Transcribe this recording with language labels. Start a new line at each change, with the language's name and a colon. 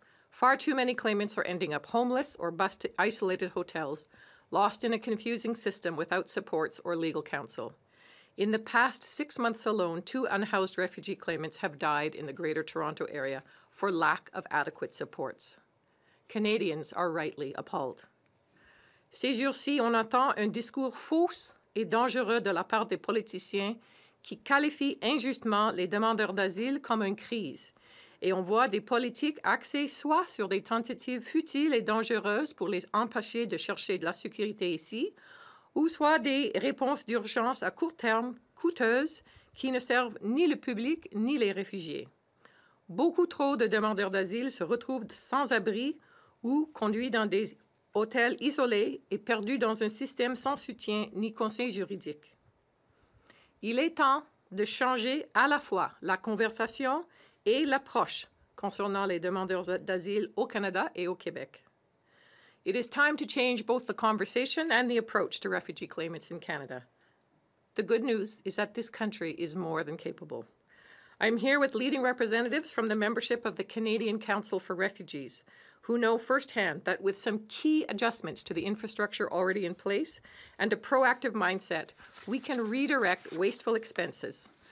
English: Far too many claimants are ending up homeless or bused to isolated hotels, lost in a confusing system without supports or legal counsel. In the past 6 months alone, 2 unhoused refugee claimants have died in the Greater Toronto Area for lack of adequate supports. Canadians are rightly appalled.
French: Ces jours-ci, on entend un discours fausse et dangereux de la part des politiciens qui qualifient injustement les demandeurs d'asile comme une crise. Et on voit des politiques axées soit sur des tentatives futiles et dangereuses pour les empêcher de chercher de la sécurité ici, ou soit des réponses d'urgence à court terme coûteuses qui ne servent ni le public ni les réfugiés. Beaucoup trop de demandeurs d'asile se retrouvent sans abri ou conduits dans des hôtels isolés et perdus dans un système sans soutien ni conseil juridique. Il est temps de changer à la fois la conversation et l'approche concernant les demandeurs d'asile au Canada et au Québec.
English: It is time to change both the conversation and the approach to refugee claimants in Canada. The good news is that this country is more than capable. I'm here with leading representatives from the membership of the Canadian Council for Refugees, who know firsthand that with some key adjustments to the infrastructure already in place and a proactive mindset, we can redirect wasteful expenses.